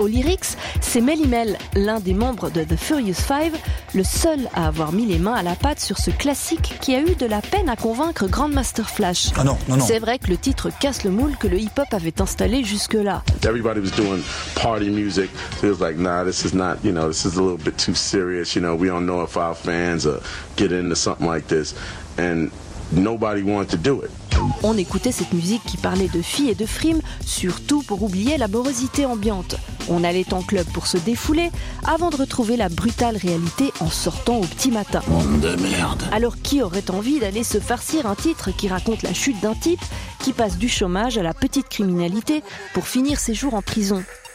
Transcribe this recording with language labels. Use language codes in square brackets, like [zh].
[fr] Au lyrics, c'est Melly Mel, l'un des membres de The Furious Five, le seul à avoir mis les mains à la pâte sur ce classique qui a eu de la peine à convaincre Grandmaster Flash. Ah non, non, non. C'est vrai que le titre casse le moule que le hip-hop avait installé jusque-là. [en] Everybody was doing party music. So it was like, nah, this is not, you know, this is a little bit too serious. You know, we don't know if our fans get into something like this. And nobody wanted to do it. [fr] On écoutait cette musique qui parlait de filles et de frimes, surtout pour oublier la morosité ambiante. On allait en club pour se défouler, avant de retrouver la brutale réalité en sortant au petit matin. Monde de merde. Alors qui aurait envie d'aller se farcir un titre qui raconte la chute d'un type qui passe du chômage à la petite criminalité pour finir ses jours en prison ?